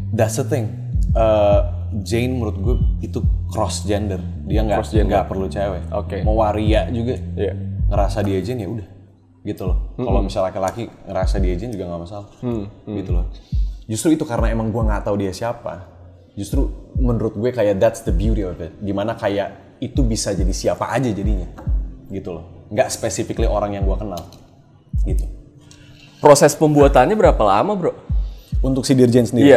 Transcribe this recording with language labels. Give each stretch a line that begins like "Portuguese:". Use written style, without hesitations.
English: That's the thing.
Indonesian: Jane menurut gue itu cross gender. Dia nggak perlu cewek. Oke.
English: Okay.
Indonesian: Mau waria juga. Iya. Yeah. Ngerasa dia Jane ya udah. Gitu loh. Kalau misalnya laki-laki ngerasa dia Jane juga nggak masalah. Gitu loh. Justru itu karena emang gue nggak tahu dia siapa. Justru menurut gue kayak
English: that's the beauty of it.
Indonesian: Dimana kayak itu bisa jadi siapa aja jadinya. Gitu loh. Nggak specifically orang yang gue kenal. Gitu. Proses pembuatannya berapa lama bro? Untuk si Dear Jane sendiri?